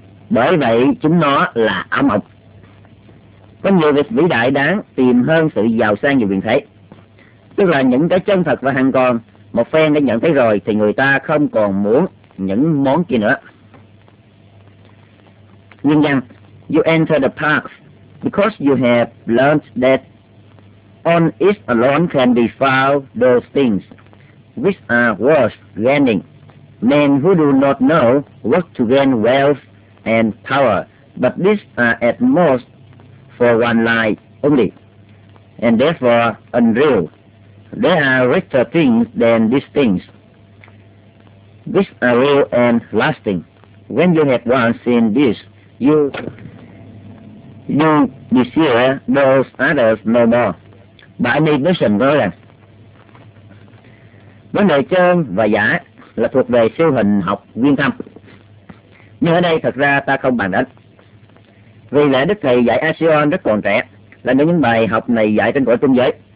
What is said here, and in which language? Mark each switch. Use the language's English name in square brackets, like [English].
[Vietnamese] Bởi vậy chúng nó là ảo mộng. Có nhiều việc vĩ đại đáng tìm hơn sự giàu sang và quyền thế. Tức là những cái chân thật và hằng còn, một phen đã nhận thấy rồi thì người ta không còn muốn những món kia nữa. Nhân dân, [English] you enter the park because you have learned that on it alone can be found those things which are worth gaining. Men who do not know work to gain wealth and power, but these are at most for one life only, and therefore unreal. They are richer things than these things. These are real and lasting. When you have once seen this, you desire those others no more. [Vietnamese] Bài này nói rằng đó là vấn đề chân và giả là thuộc về siêu hình học viên thâm. Nhưng ở đây thật ra ta không bàn đến, vì lẽ Đức Thầy dạy Asion rất còn trẻ, là những bài học này dạy trên cõi trung giới.